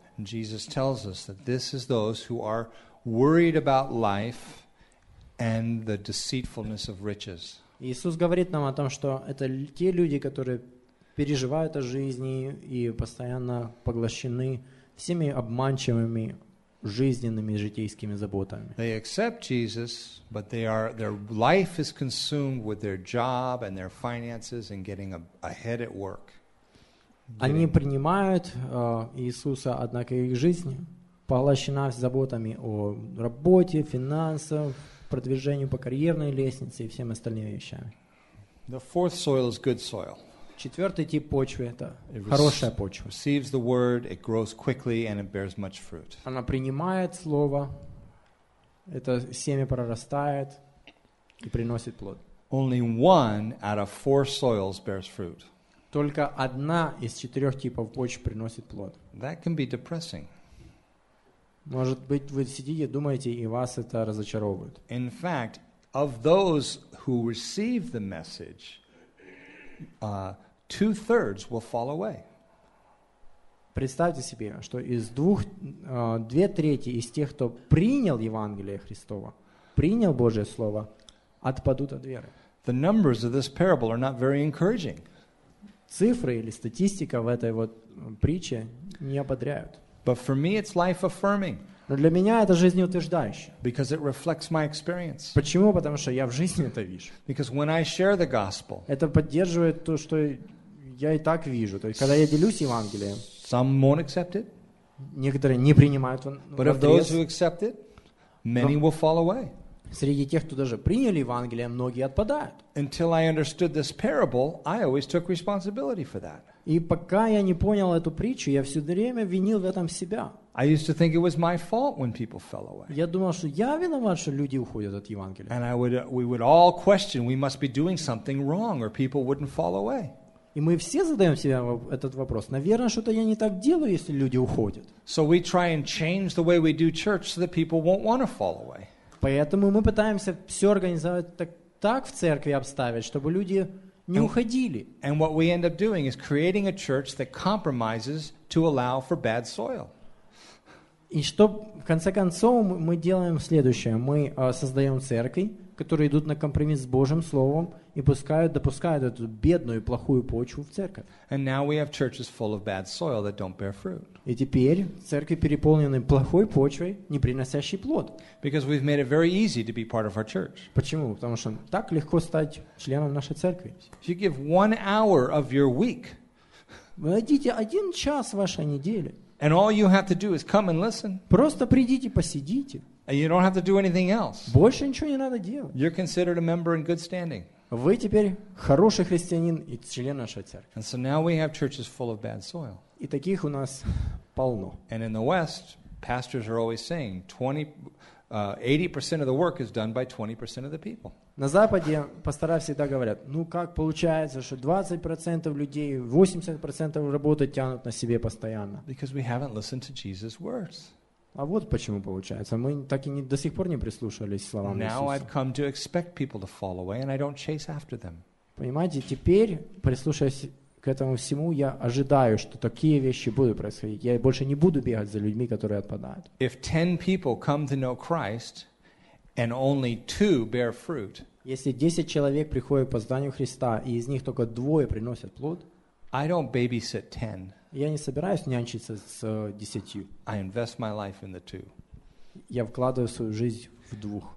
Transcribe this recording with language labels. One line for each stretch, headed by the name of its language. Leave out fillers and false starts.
English: Jesus tells us that this is those who are worried about life and the deceitfulness of riches.
Russian: Иисус говорит нам о том, что это те люди, которые переживают о жизни и постоянно поглощены всеми обманчивыми жизненными житейскими заботами.
English: They accept Jesus, but their life is consumed with their job and their finances and getting ahead at work.
Russian: Они принимают Иисуса, однако их жизнь поглощена заботами о работе, финансах, продвижении по карьерной лестнице и всем остальными вещами.
English: The fourth soil is good soil.
Russian: Четвертый тип почвы — это хорошая почва.
English: Receives the word, it grows quickly, and it bears much fruit.
Russian: Она принимает слово, это семя прорастает и приносит плод.
English: Only one out of four soils bears fruit.
Russian: Только одна из четырех типов почв приносит плод.
English: That can be depressing.
Russian: Может быть, вы сидите, думаете, и вас это разочаровывает.
English: In fact, of those who receive the message, two-thirds will fall away.
Russian: Представьте себе, что из двух, две трети из тех, кто принял Евангелие Христово, принял Божие Слово, отпадут от веры.
English: The numbers of this parable are not very encouraging.
Russian: Цифры или статистика в этой вот притче не ободряют.
English: But for me it's life-affirming.
Russian: Но для меня это жизнеутверждающе.
English: Because it reflects my experience.
Russian: Почему? Потому что я в жизни это вижу.
English: Because when I share the gospel,
Russian: это поддерживает то, что я и так вижу. То есть, когда я делюсь Евангелием,
English: some won't accept it.
Russian: Некоторые не принимают.
English: But of those who accept it, many will fall away.
Russian: Среди тех, кто даже приняли Евангелие, многие отпадают.
English: Until I understood this parable, I always took responsibility for that.
Russian: И пока я не понял эту притчу, я все время винил в этом себя.
English: I used to think it was my fault when people fell away.
Russian: Я думал, что я виноват, что люди уходят от Евангелия.
English: And we would all question, we must be doing something wrong, or people wouldn't fall away.
Russian: И мы все задаем себе этот вопрос. Наверное, что-то я не так делаю, если люди уходят.
English: So we try and change the way we do church so that people won't want to fall away.
Russian: Поэтому мы пытаемся все организовать так в церкви обставить, чтобы люди не уходили.
English: And what we end up doing is creating a church that compromises to allow for bad soil.
Russian: И что, в конце концов, мы делаем следующее. Мы создаем церкви, которые идут на компромисс с Божьим Словом и допускают эту бедную и плохую почву в церковь.
English: And now we have churches full of bad soil that don't bear fruit.
Russian: И теперь церкви переполнены плохой почвой, не приносящей плод.
English: Because we've made it very easy to be part of our church.
Russian: Почему? Потому что так легко стать членом нашей церкви.
English: If you give 1 hour of your week,
Russian: вы дадите 1 час вашей недели,
English: and all you have to do is come and listen.
Russian: Просто придите, посидите.
English: And you don't have to do anything else.
Russian: Больше ничего не надо делать.
English: You're considered a member in good standing.
Russian: Вы теперь хороший христианин и член нашей церкви.
English: And so now we have churches full of bad soil.
Russian: И таких у нас полно.
English: And in the West, pastors are always saying 80% of the work is done by 20% of the people.
Russian: На Западе пастора всегда говорят, ну как получается, что 20% людей, 80% работы тянут на себе постоянно.
English: Because we haven't listened to Jesus' words.
Russian: А вот почему получается. Мы так и не, до сих пор не прислушались словам
English: Now
Russian: Иисуса.
English: I've come to expect people to fall away and I don't chase after them.
Russian: Понимаете, теперь, прислушаясь к этому всему, я ожидаю, что такие вещи будут происходить. Я больше не буду бегать за людьми, которые отпадают.
English: If 10 people come to know Christ and only 2 bear fruit,
Russian: если 10 человек приходят к познанию Христа, и из них только 2 приносят плод,
English: I don't babysit 10.
Russian: Я не собираюсь нянчиться с 10.
English: I invest my life in the 2.
Russian: Я вкладываю свою жизнь в 2.